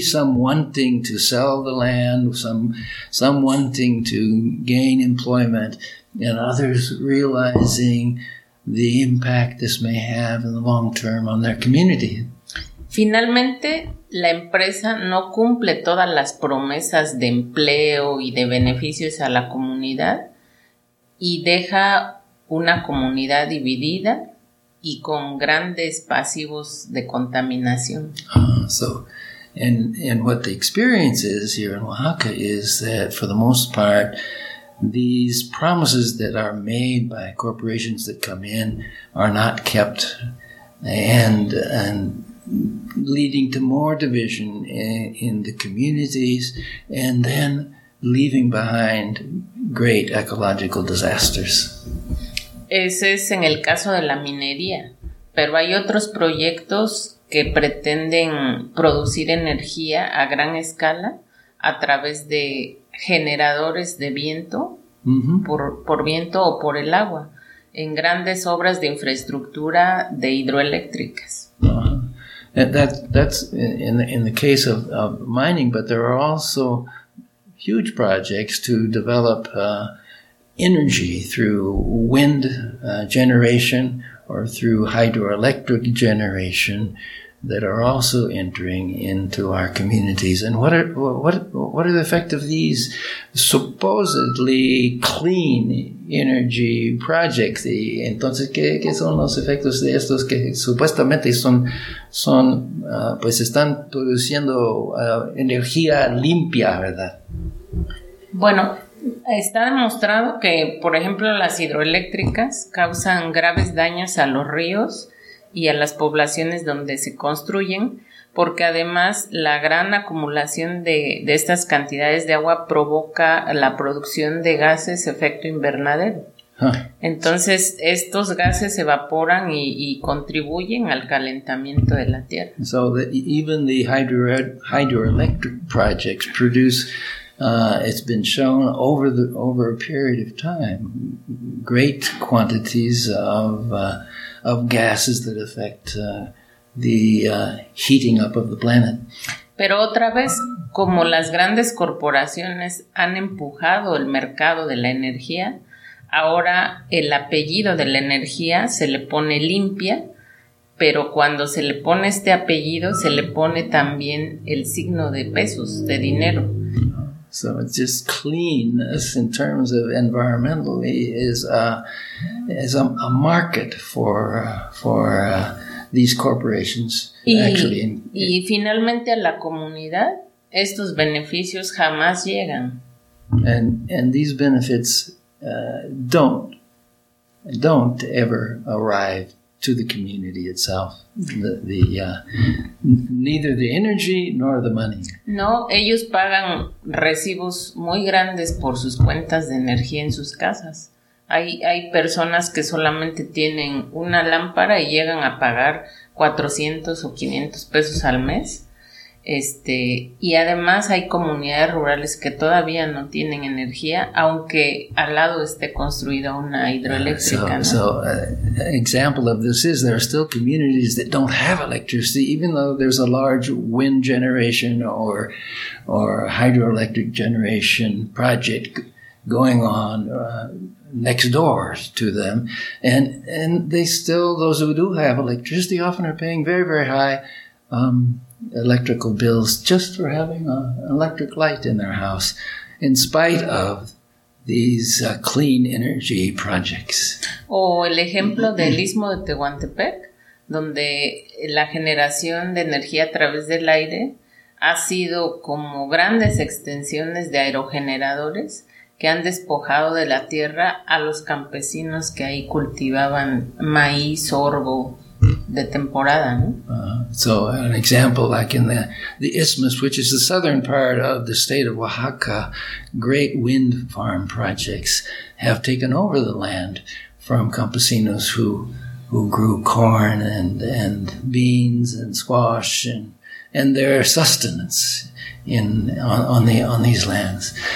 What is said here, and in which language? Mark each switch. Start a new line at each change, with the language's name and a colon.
English: Some wanting to sell the land, some wanting to gain employment, and others realizing the impact this may have in the long term on their community.
Spanish: Finalmente, la empresa no cumple todas las promesas de empleo y de beneficios a la comunidad y deja una comunidad dividida y con grandes pasivos de contaminación.
English: So, and what the experience is here in Oaxaca is that for the most part, these promises that are made by corporations that come in are not kept, and leading to more division in the communities, and then leaving behind great ecological disasters.
Spanish: Ese es en el caso de la minería, pero hay otros proyectos que pretenden producir energía a gran escala a través de generadores de viento, mm-hmm. por viento o por el agua, en grandes obras de infraestructura de hidroeléctricas.
English: That's in the case of mining, but there are also huge projects to develop energy through wind generation or through hydroelectric generation that are also entering into our communities. And what are the effect of these supposedly clean energy projects?
Spanish: Y entonces, ¿qué son los efectos de estos que supuestamente están produciendo energía limpia, verdad? Bueno, está demostrado que, por ejemplo, las hidroeléctricas causan graves daños a los ríos y a las poblaciones donde se construyen, porque además la gran acumulación de estas cantidades de agua provoca la producción de gases efecto invernadero. Entonces, estos gases evaporan y contribuyen al calentamiento de la tierra.
English: So, even the hydroelectric projects produce, it's been shown over a period of time, great quantities of gases that affect the heating up of the planet.
Spanish: Pero otra vez, como las grandes corporaciones han empujado el mercado de la energía, ahora el apellido de la energía se le pone limpia, pero cuando se le pone este apellido, se le pone también el signo de pesos, de dinero.
English: So it's just cleanness in terms of environmentally is a market for these corporations actually.
Spanish: Y finalmente a la comunidad estos beneficios jamás llegan.
English: And these benefits don't ever arrive to the community itself, neither the energy nor the money.
Spanish: No, ellos pagan recibos muy grandes por sus cuentas de energía en sus casas. Hay personas que solamente tienen una lámpara y llegan a pagar 400 o 500 pesos al mes. Y además hay comunidades rurales que todavía no tienen energía, aunque al lado esté construida una hidroeléctrica.
English: So, example of this is there are still communities that don't have electricity, even though there's a large wind generation or hydroelectric generation project going on next door to them, and they still, those who do have electricity, often are paying very, very high electrical bills just for having an electric light in their house, in spite of these clean energy projects.
Spanish: O el ejemplo del Istmo de Tehuantepec, donde la generación de energía a través del aire ha sido como grandes extensiones de aerogeneradores que han despojado de la tierra a los campesinos que ahí cultivaban maíz, sorgo, de temporada, ¿no?
English: So an example like in the Isthmus, which is the southern part of the state of Oaxaca, great wind farm projects have taken over the land from campesinos who who grew corn and beans and squash and their sustenance on these lands.